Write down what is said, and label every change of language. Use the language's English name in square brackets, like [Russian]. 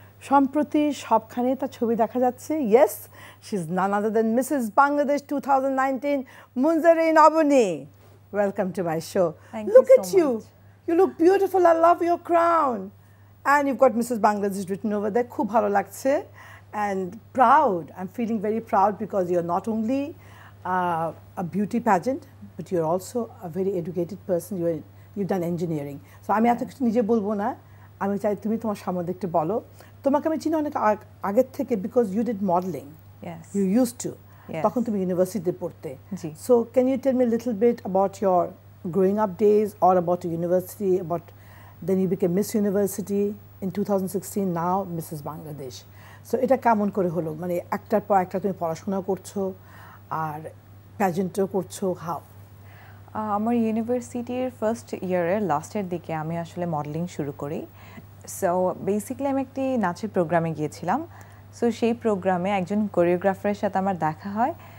[Bangla] সম্প্রতি সবখানে তার ছবি দেখা যাচ্ছে। Yes, she is none other then Mrs Bangladesh 2019 Munjarin Aboni. [English] Welcome to my show. Look at you, you look beautiful, I love your crown and you got Mrs Bangladesh written over that. [Bangla] খুব ভালো লাগছে and proud. [English] I'm feeling very proud because you're not only a beauty pageant, but you're also a very educated person. You've done engineering. So I'm going to tell you something. I'm going to tell you what you're going to tell. I'm going to tell you what you're going to do because you did modeling. Yes. You used to. Yes. You used to be in university. [Bangla] Ji. [English] So can you tell me a little bit about your growing up days or about your university, about then you became Miss University in 2016, now Mrs. Bangladesh. [Bangla] So এটা কেমন করে হলো, মানে একটার পর একটা তুমি পড়াশোনা করছো আর প্যাজেন্টও করছো, হাও? আমার ইউনিভার্সিটির ফার্স্ট ইয়ারের লাস্টের দিকে আমি আসলে মডেলিং শুরু করি। সো বেসিক্যালি আমি একটি নাচের প্রোগ্রামে গিয়েছিলাম। সো সেই প্রোগ্রামে একজন কোরিওগ্রাফারের সাথে আমার দেখা হয়।